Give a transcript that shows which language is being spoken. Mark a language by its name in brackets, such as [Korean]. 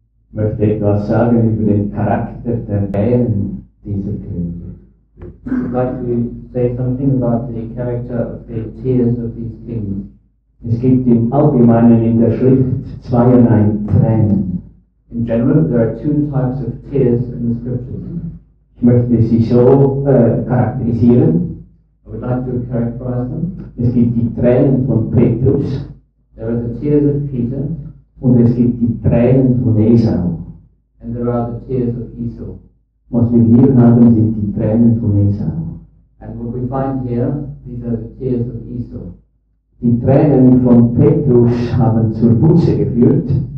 [German] Möchte etwas sagen über den Charakter der Wählen dieser Könige. [English] I'd like to say something about the character of the tears of these kings. [German] Es gibt im Allgemeinen in der Schrift zweierlei Tränen. [English] In general, there are two types of tears in the scriptures. [German] Ich möchte sie so charakterisieren. [English] I would like to characterize them. [German] Es gibt die Tränen von Petrus. [English] There are the tears of Peter. [German] Und es gibt die Tränen von Esau. [English] And there are the tears of Esau. [German] Was wir hier haben, sind die Tränen von Esau. [English] And what we find here, these are the tears of Esau. [German] Die Tränen von Petrus haben zur Buße geführt.